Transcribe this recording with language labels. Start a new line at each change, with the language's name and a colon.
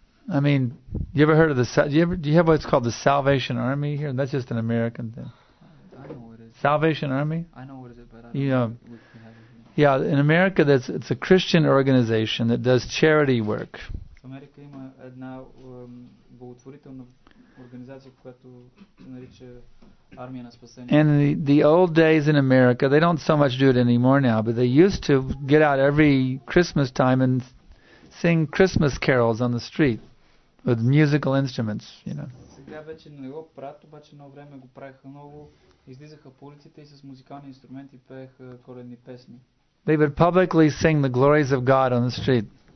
English: I mean, you ever heard of the, do you have what's called the Salvation Army here? That's just an American thing. I know what it is. Salvation Army? I know what it is, but I don't know what you have. Yeah, in America, that's it's a Christian organization that does charity work.
Bulgarian: Америка има една благотворителна организация, която се нарича Армия на спасение.
English: And the old days in America, they don't so much do it anymore now, but they used to get out every Christmas time and sing Christmas carols on the street with musical instruments, you know.
Bulgarian: Сега вече не го правят, обаче едно време го правиха много. Излизаха по улиците и с музикални инструменти пееха коледни песни.
English: They would publicly sing the glories of God on the street.